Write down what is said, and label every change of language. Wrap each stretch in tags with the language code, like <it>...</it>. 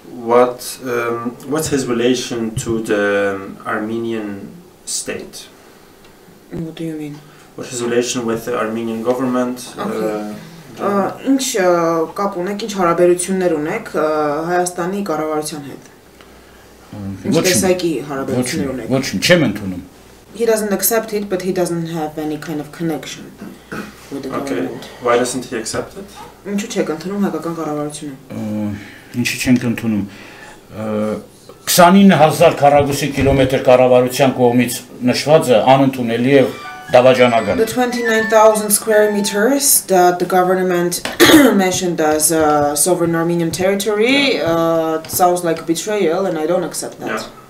<en>What what's his relation to the Armenian state? What do you mean? What's his relation with the Armenian government?</en> <hy>Ինչ կապ ունեք, ինչ հարաբերություններ ունեք Հայաստանի կառավարության հետ? Ոչ, տեսակի հարաբերություններ ունեք։ Ոչ, չեմ ընդունում։</hy> <en>He doesn't accept it, but he doesn't have any kind of connection with the government. Okay. Why doesn't he accept it?</en> <hy>Ինչու չեք ընդունում հայկական կառավարությունը։ Ինչու չենք ընդունում 29000 քառակուսի կիլոմետր կառավարության կողմից նշվածը անընդունելի է, դավաճանական։</hy> <en>The 29000 square meters that the government mentioned as a sovereign Armenian territory sounds like a betrayal and I don't accept that.</en>